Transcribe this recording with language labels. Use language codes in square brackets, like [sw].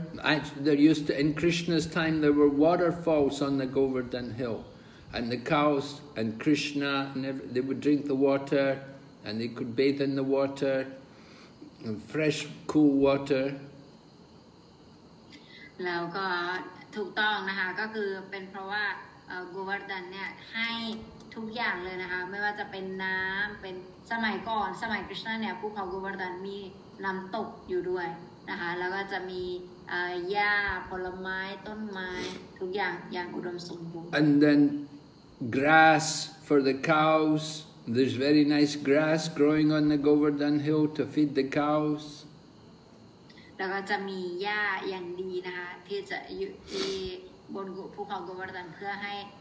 [en] Actually, there used to in Krishna's time there were waterfalls on the Govardhan Hill, and the cows and Krishna and they would drink the water, and they could bathe in the water, and fresh cool water. [th] แล้วก็ถูกต้องนะคะก็คือเป็นเพราะว่าGovardhan เนี่ยให้ทุกอย่างเลยนะคะไม่ว่าจะเป็นน้ำเป็นสมัยก่อนสมัยคริสต์นาเนี่ยภูเขาโกวาร์ดันมีน้ำตกอยู่ด้วยนะคะแล้วก็จะมีหญ้าผลไม้ต้นไม้ทุกอย่างอย่างอุดมสมบูรณ์ [en] And then grass for the cows there's very nice grass growing on the Govardhan Hill to feed the cows [th] แล้วก็จะมีหญ้าอย่างดีนะคะที่จะอยู่ที่บนภูเขาโกวาร์ดันเพื่อให้